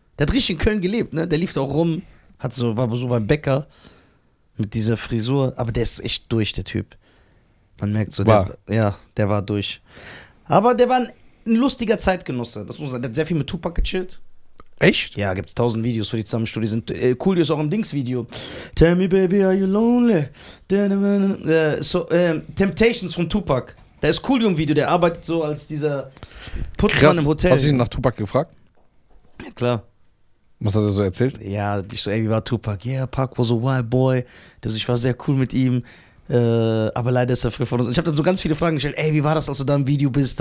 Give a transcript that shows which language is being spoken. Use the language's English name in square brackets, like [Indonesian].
[German] Der hat richtig in Köln gelebt, ne? Der lief da auch rum, hat so, war so beim Bäcker mit dieser Frisur. Aber der ist echt durch, der Typ. Man merkt so, war. Der, ja, der war durch. Aber der war ein lustiger Zeitgenosse. Das muss sein. Der hat sehr viel mit Tupac gechillt. Echt? Ja, gibt es 1000 Videos für die Zusammenstudie. Sind, Coolio ist auch im Dings-Video. [English] Tell me, baby, are you lonely? [German] Temptations von Tupac. Da ist Coolio im Video. Der arbeitet so als dieser Putzmann. Krass. Im Hotel. Hast du ihn nach Tupac gefragt? Ja, klar. Was hat er so erzählt? Ja, ich so, ey, wie war Tupac? [English] Yeah, Pac was a wild boy. [German] Also ich war sehr cool mit ihm. Aber leider ist er früh von uns. Ich habe dann so ganz viele Fragen gestellt. Ey, wie war das, als du da im Video bist?